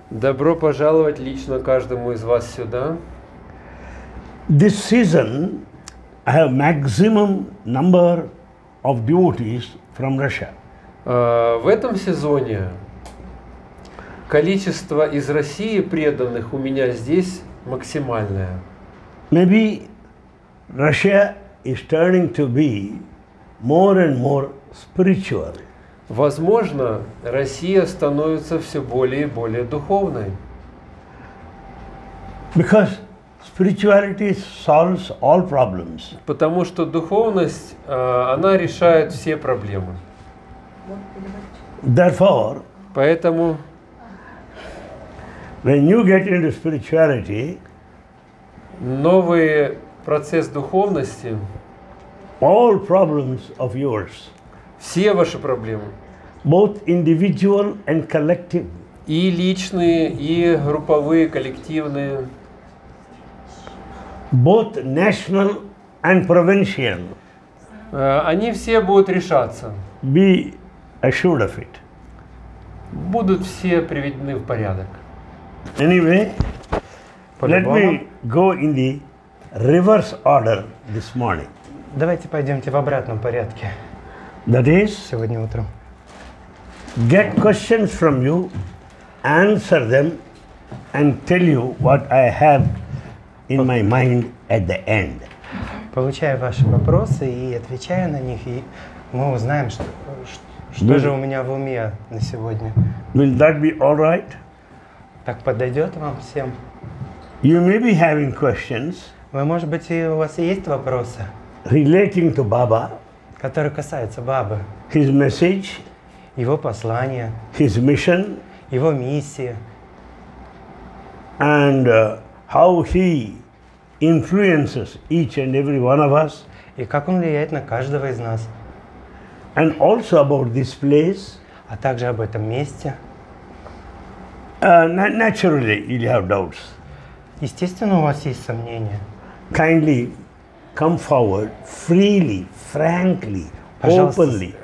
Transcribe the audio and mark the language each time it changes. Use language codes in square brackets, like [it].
[ru] Добро пожаловать лично каждому из вас сюда. [en] This season I have maximum number of devotees from Russia. [ru] В этом сезоне количество из России преданных у меня здесь максимальное. [en] Maybe Russia is turning to be more and more spiritual. [ru] Возможно, Россия становится все более и более духовной. [en] Because spirituality solves all problems. [ru] Потому что духовность, она решает все проблемы. [en] Therefore, [ru] поэтому, [en] when you get into spirituality, [ru] новый процесс духовности, [en] all problems of yours, [ru] все ваши проблемы, [en] both individual and collective, [ru] и личные, и групповые, коллективные, [en] both national and provincial, [ru] они все будут решаться, [en] be assured of it, [ru] будут все приведены в порядок. [en] Anyway, let me go in the reverse order this morning. [ru] Давайте пойдемте в обратном порядке. [en] That is, [ru] сегодня утром. [en] Get questions from you, answer them, and tell you what I have in my mind at the end. [ru] Получаю ваши вопросы и отвечаю на них, и мы узнаем, что же у меня в уме на сегодня. [en] Will that be all right? [ru] Так подойдет вам всем? [en] You may be having questions. [ru] Вы, может быть, у вас и есть вопросы? [en] Relating to Baba, [ru] который касается Бабы, [en] his message, [ru] его послание, [en] his mission, [ru] его миссия, [en] and how he influences each and every one of us, [ru] и как он влияет на каждого из нас, [en] and also about this place, [ru] а также об этом месте. [en] Naturally, you have doubts. [ru] Естественно, у вас есть сомнения. [en] Kindly come forward freely, frankly, openly.